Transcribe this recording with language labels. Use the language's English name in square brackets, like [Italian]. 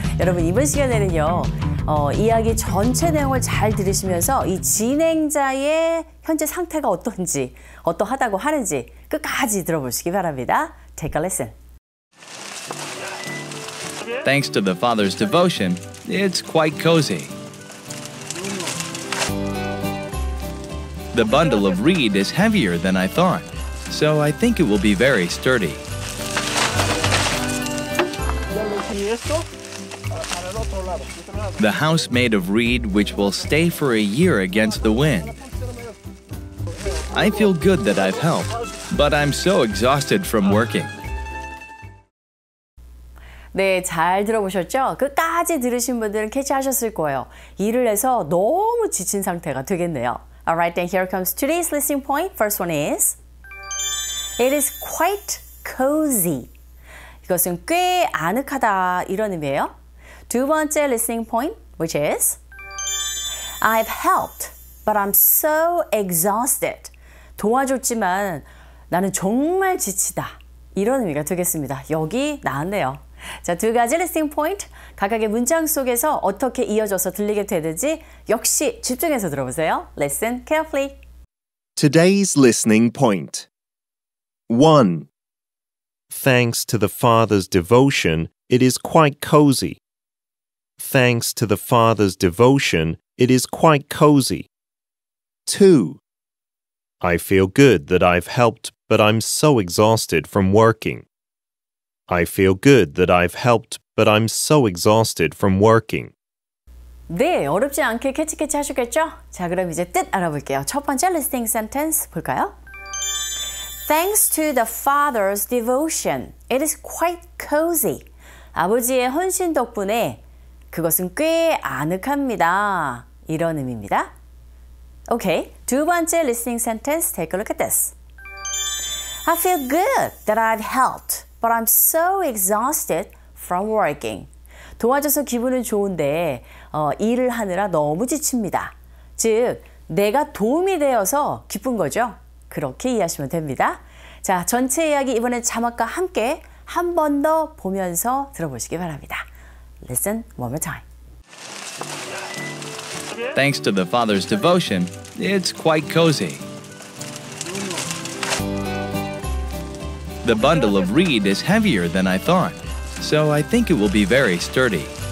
[Korean] 여러분, 이번 시간에는요, 이야기 전체 내용을 잘 들으시면서 이 진행자의 현재 상태가 어떤지, 어떠하다고 하는지 끝까지 들어보시기 바랍니다. [English] Take a listen. Thanks to the father's devotion, it's quite cozy. The bundle of reed is heavier than I thought, so I think it will be very sturdy. The house made of reed which will stay for a year against the wind. I feel good that I've helped, but I'm so exhausted from working. [Korean] 네, 잘 들어보셨죠? 끝까지 들으신 분들은 캐치하셨을 거예요. 일을 해서 너무 지친 상태가 되겠네요. [English] Alright, then here comes today's listening point. First one is, it is quite cozy. [Korean] 이것은 꽤 아늑하다 이런 의미예요. 두 번째 [English] listening point, which is, I've helped, but I'm so exhausted. [Korean] 도와줬지만 나는 정말 지치다 이런 의미가 되겠습니다. 여기 나왔네요. 자, 두 가지 리스팅 포인트 각각의 문장 속에서 어떻게 이어져서 들리게 되는지 역시 집중해서 들어보세요. [English] Listen carefully. Today's listening point. 1. Thanks to the father's devotion, it is quite cozy. Thanks to the father's devotion, it is quite cozy. 2. I feel good that I've helped, but I'm so exhausted from working. I feel good that I've helped, but I'm so exhausted from working. [Korean] 네, 어렵지 않게 캐치캐치 하셨겠죠? 자, 그럼 이제 뜻 알아볼게요. 첫 번째 listening sentence 볼까요? [English] Thanks to the father's devotion, it is quite cozy. [Korean] 아버지의 헌신 덕분에 그것은 꽤 아늑합니다. 이런 의미입니다. [English] Okay, [Korean] 두 번째 [English] listening sentence, take a look at this. I feel good that I've helped. But I'm so exhausted from working. [Korean] 도와줘서 기분은 좋은데 일을 하느라 너무 지칩니다. 즉, 내가 도움이 되어서 기쁜 거죠. 그렇게 이해하시면 됩니다. 자, 전체 이야기 이번엔 자막과 함께 한 번 더 보면서 들어보시기 바랍니다. [English] Listen one more time. Thanks to the father's devotion, it's quite cozy. The bundle of reed is heavier than I thought, so I think it will be very sturdy.